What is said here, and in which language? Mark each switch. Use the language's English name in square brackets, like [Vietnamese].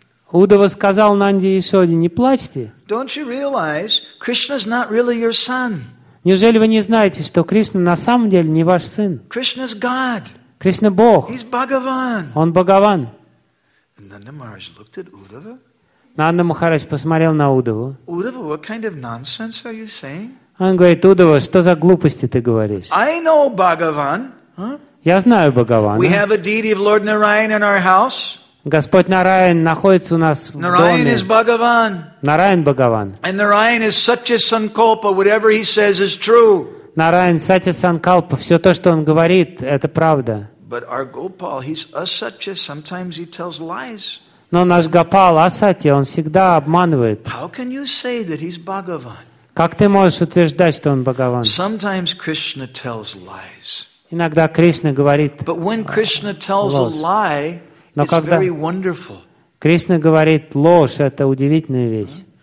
[Russian] Уддхава сказал Нанде и Яшоде, "Не плачьте." [English] Don't you realize Krishna's not really your son? [Russian] Неужели вы не знаете, что Кришна на самом деле не ваш сын? [English] Krishna's God. [Russian] Кришна Бог. [English] He's Bhagavan. [Russian] Он Бхагаван. [English] Нанда Махарадж looked at Uddhava. [Russian] Нанда Махарадж посмотрел на Уддхаву. [English] Uddhava, what kind of nonsense are you saying? [Russian] Он говорит: Уддхава, что за глупости ты говоришь? [English] I know Bhagavan. [Russian] Я знаю Бхагавана. [English] We have a deity of Lord Narayan in our house. [Russian] Господь Нараян находится у нас в доме. Нараян Бхагаван. [English] And Нараян is Сатья Санкалпа, whatever he says is true. [Russian] Нараян Сатья Санкалпа, все то, что он говорит, это правда. [English] But our Gopal, he's Асатья, sometimes he tells lies. [Russian] Но наш Гопал Асатья, он всегда обманывает. [English] How can you say that he's Bhagavan? [Russian] Как ты можешь утверждать, что он Бхагаван? [English] Sometimes Krishna tells lies. [Russian] Иногда Кришна говорит. [English] But when Krishna tells a lie, [Russian] Но когда Кришна говорит ложь, это удивительная вещь.